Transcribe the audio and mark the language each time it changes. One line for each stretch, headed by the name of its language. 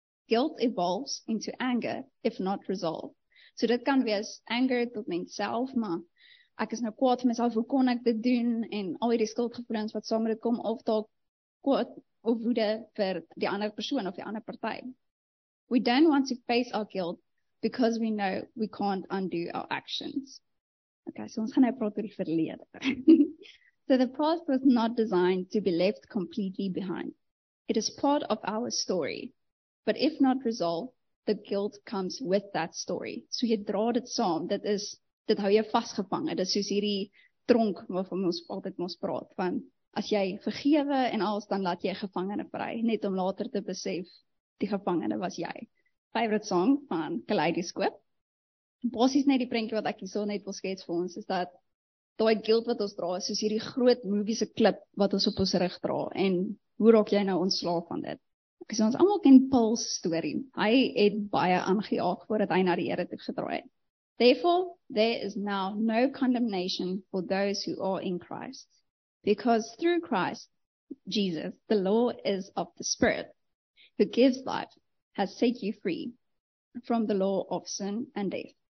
English: Guilt evolves into anger, if not resolved.
Afrikaans: So dit kan wees anger tot mens self, maar ek is nou kwaad vir myself, hoe kon ek dit doen, en al die skuldgevoelens wat saam met dit kom, of dalk kwaad of woede vir die ander persoon of die ander party.
English: We don't want to face our guilt because we know we can't undo our actions.
Afrikaans: Okay, so ons gaan nou praat oor die verlede.
English: So the past was not designed to be left completely behind. It is part of our story. But if not resolved, the guilt comes with that story.
Afrikaans: So jy dra dit saam, dit hou jy vasgevang. Dit is soos hierdie tronk waarvan ons altyd mos praat. Want as jy vergewe en alles, dan laat jy gevangene vry. Net om later te besef, die gevangene was jy. Favorite song van Kaleidoscoop. Basies net die prentjie wat ek hier so net wil skets vir ons, is dat daai guilt wat ons dra, is soos hierdie groot movie se klip wat ons op ons rug dra. En hoe raak jy nou ontslaaf van dit? Ek sê ons allemaal ken Paul's story. Hy het baie aangejaag voordat hy na die Here toe gedraai het.
English: Therefore, there is now no condemnation for those who are in Christ. Because through Christ, Jesus, the law is of the Spirit, who gives life, has set you free from the law of sin and death.